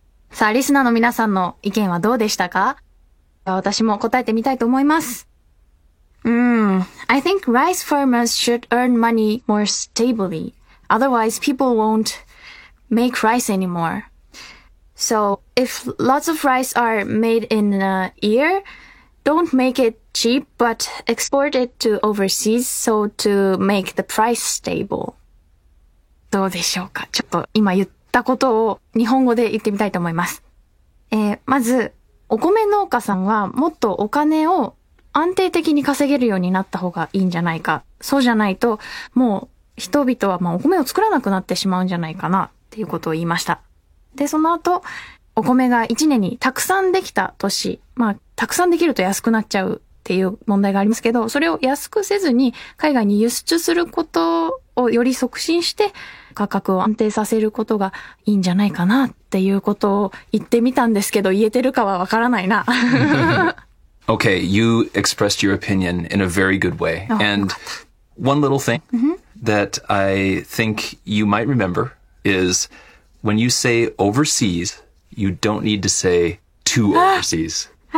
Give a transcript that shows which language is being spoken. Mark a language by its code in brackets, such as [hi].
[ja] さあ、リスナーの皆さんの意見はどうでしたか？私も答えてみたいと思います。 [en] I think rice farmers should earn money more stably. Otherwise, people won't make rice anymore. So, if lots of rice are made in a year, don't make it cheap, but export it to overseas so to make the price stable. [ja] どうでしょうか？ちょっと今言って。たことを日本語で言ってみたいと思います、まずお米農家さんはもっとお金を安定的に稼げるようになった方がいいんじゃないか、そうじゃないともう人々はまあお米を作らなくなってしまうんじゃないかなっていうことを言いました。でその後お米が1年にたくさんできた年、まあたくさんできると安くなっちゃうっていう問題がありますけど、それを安くせずに海外に輸出することをより促進して価格を安定させることがいいんじゃないかなっていうことを言ってみたんですけど、言えてるかはわからないな。 [en] Okay, you expressed your opinion in a very good way. And one little thing that I think you might remember is when you say overseas, you don't need to say to overseas.